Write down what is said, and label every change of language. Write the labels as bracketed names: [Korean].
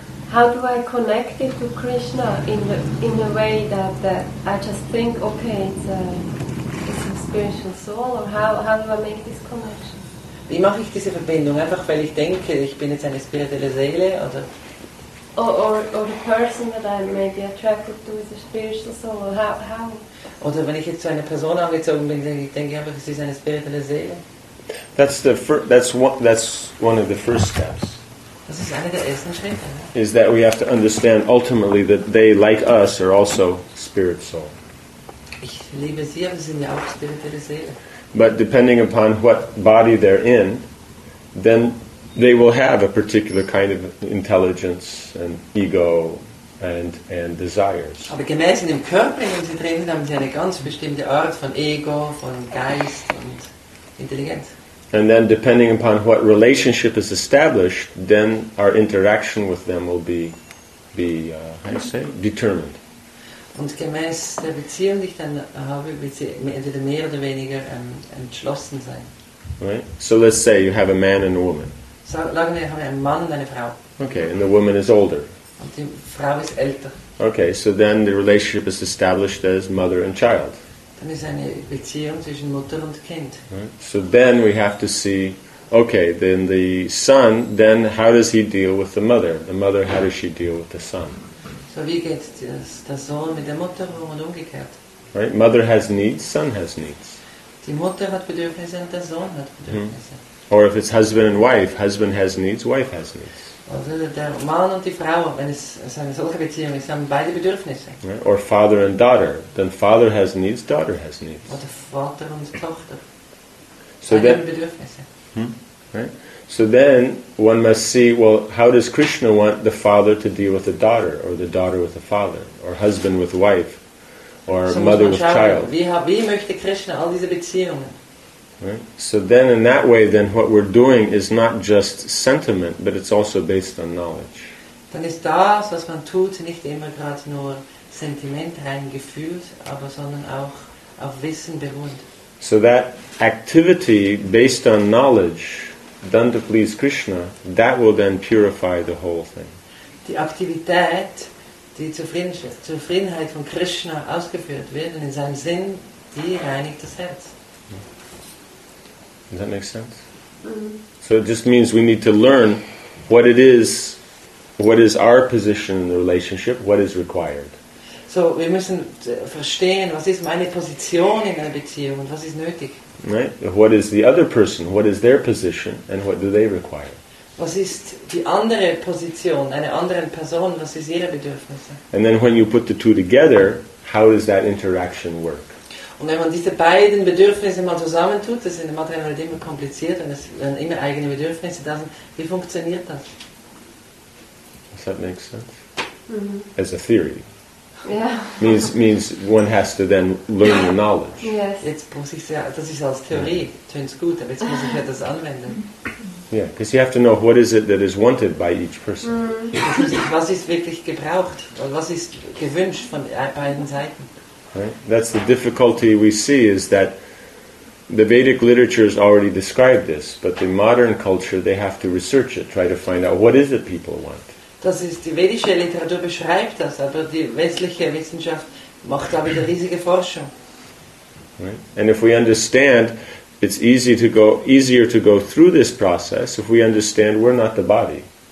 [English] How do I connect it to Krishna in a way that I just think, okay, it's a spiritual soul, or how do I make this connection? [German] Wie mache ich diese Verbindung? Einfach weil ich denke, ich bin jetzt eine spirituelle Seele, oder? [English] Or the person that I may be attracted to is a spiritual soul. How? [German] Oder wenn ich jetzt zu einer Person angezogen bin, denke ich einfach, es ist eine spirituelle Seele. [English] That's one of the first steps. [German] Das ist eine der ersten Schritte. [English] Is that we have to understand ultimately that they, like us, are also spirit soul. [German] Ich liebe sie, aber sie sind ja auch spirituelle Seele. [English] But depending upon what body they're in, then they will have a particular kind of intelligence and ego and desires. [German] Aber gemäß in dem Körper, in dem sie drin sind, haben sie eine ganz bestimmte Art von Ego, von Geist und Intelligenz. [English] And then depending upon what relationship is established, then our interaction with them will be determined. [German] Und gemäß der Beziehung, die ich dann habe, wird sie entweder mehr oder weniger entschlossen sein. [English] Right? So let's say you have a man and a woman. [German] So, sagen wir, ich habe einen Mann und eine Frau. [English] Okay, and the woman is older. [German] Und die Frau ist älter. [English] Okay, so then the relationship is established as mother and child. [German] Dann ist eine Beziehung zwischen Mutter und Kind. [English] Right. So then we have to see, okay, then the son, then how does he deal with the mother? The mother, how does she deal with the son? [German] So wie geht der Sohn mit der Mutter um und umgekehrt? [English] Right, mother has needs, son has needs. [German] Die Mutter hat Bedürfnisse und der Sohn hat Bedürfnisse. Mm-hmm. [English] Or if it's husband and wife, husband has needs, wife has needs. [German] Der Mann und die Frau, wenn es eine solche Beziehung ist, haben beide Bedürfnisse. [English] Right? Or father and daughter, then father has needs, daughter has needs. [German] Oder Vater und Tochter, so beide haben Bedürfnisse. [English] Right? So then, one must see, well, how does Krishna want the father to deal with the daughter, or the daughter with the father, or husband with wife, or so mother with child? [German] Wie möchte Krishna all diese Beziehungen? [English] Right? So then in that way then what we're doing is not just sentiment, but it's also based on knowledge. [German] Dann ist das, was man tut, nicht immer gerade nur Sentiment, rein Gefühl, aber sondern auch auf Wissen beruht. [English] So that activity based on knowledge, done to please Krishna, that will then purify the whole thing. [German] Die Aktivität, die Zufriedenheit von Krishna ausgeführt wird, und in seinem Sinn, die reinigt das Herz. [English] Does that make sense? Mm-hmm. So it just means we need to learn what it is, what is our position in the relationship, what is required. So we must understand what is my position in a relationship and what is [German] nötig. [English] Right? What is the other person? What is their position and what do they require? [German] Was ist die andere Position einer anderen Person? Was ist ihre Bedürfnisse? [English] And then when you put the two together, how does that interaction work? [German] Und wenn man diese beiden Bedürfnisse mal zusammentut, das ist in der materiellen Welt immer kompliziert, und es werden immer eigene Bedürfnisse da sind, wie funktioniert das? [English] Does that make sense? Mm-hmm. As a theory. Yeah. Means one has to then learn the knowledge. Yes. [German] Jetzt muss ich, das ist als Theorie, tönt's gut, aber jetzt muss ich das anwenden. [English] Yeah, because you have to know what is it that is wanted by each person. [German] Was ist wirklich gebraucht, oder was ist gewünscht von beiden Seiten? [English] Right? That's the difficulty we see, is that the Vedic literature has already described this, but the modern culture, they have to research it, try to find out what is it people want. [German] Das ist, die vedische Literatur beschreibt das, aber die westliche Wissenschaft macht da wieder riesige Forschung. [English] Right? And if we understand, it's easier to go through this process if we understand we're not the body.